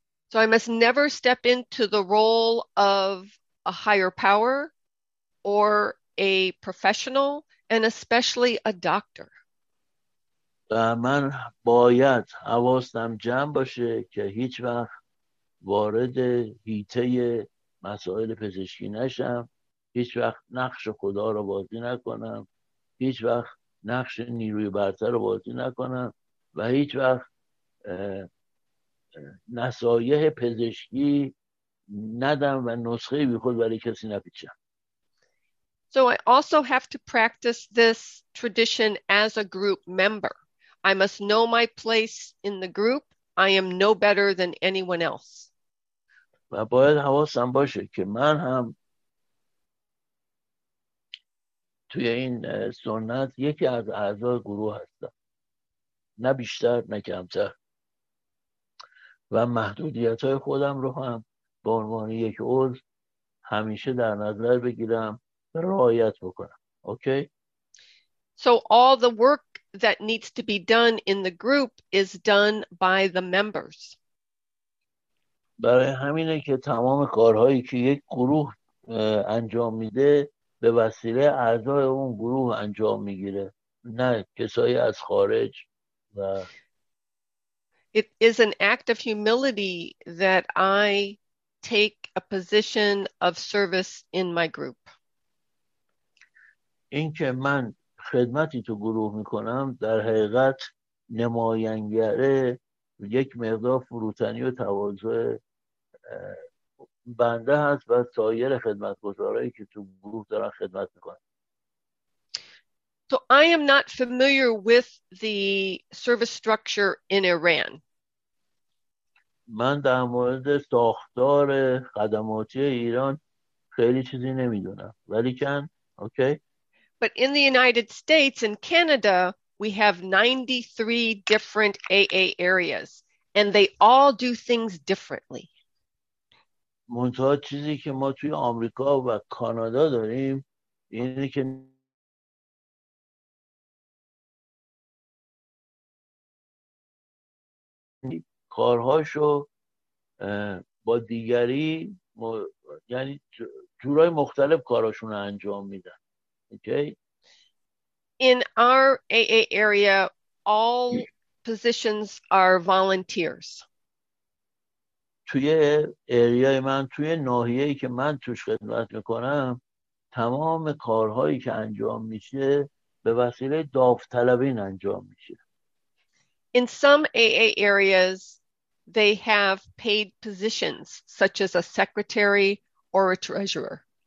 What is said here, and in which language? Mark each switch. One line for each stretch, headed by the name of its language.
English: So I must never step into the role of a higher power or a professional and especially a doctor.
Persian: من باید حواسم جمع باشه که هیچ وقت وارد حیطه مسائل پزشکی نشم، هیچ وقت نقش خدا رو بازی نکنم، هیچ وقت نقش نیروی برتر رو بازی نکنم و هیچ وقت نصایح پزشکی ندم و نسخه بی خود برای کسی نپیچم.
English: So I also have to practice this tradition as a group member. I must know my place in the group. I am no better than anyone else.
Persian: و باید حواسم باشه که من هم توی این سنت یکی از اعضای گروه هستم. نه بیشتر نه کمتر. و محدودیت‌های خودم رو هم به عنوان یک عضو همیشه در نظر بگیرم و رعایت بکنم. اوکی؟
English: So all the work that needs to be done in the group is done by the members.
Persian: برای همینه که تمام کارهایی که یک گروه انجام میده به وسیله اعضای اون گروه انجام میگیره، نه کسایی از خارج. و
English: it is an act of humility that I take a position of service in my group.
Persian: اینکه من خدمتی تو گروه میکنم در حقیقت نماینگر یک مقدار فروتنی و تواضع بنده هست و سایر خدمتگزارهایی که تو گروه دارن خدمت میکنن.
English: So I am not familiar with the service structure in Iran.
Persian: من در مورد ساختار خدماتی ایران خیلی چیزی نمیدونم، ولیکن اوکی.
English: But in the United States and Canada, we have 93 different AA areas, and they all do things differently.
Persian: منتها چیزی که ما توی آمریکا و کانادا داریم اینه که کارهاشو با دیگری یعنی جورای مختلف کارشون انجام میدن. اوکی.
English: In our AA area, all positions are volunteers.
Persian: توی ایریای من، توی ناحیه‌ای که من توش خدمت میکنم، تمام کارهایی که انجام میشه به وسیله داوطلبین انجام میشه.
English: In some AA areas, they have paid positions, such as a secretary or a treasurer.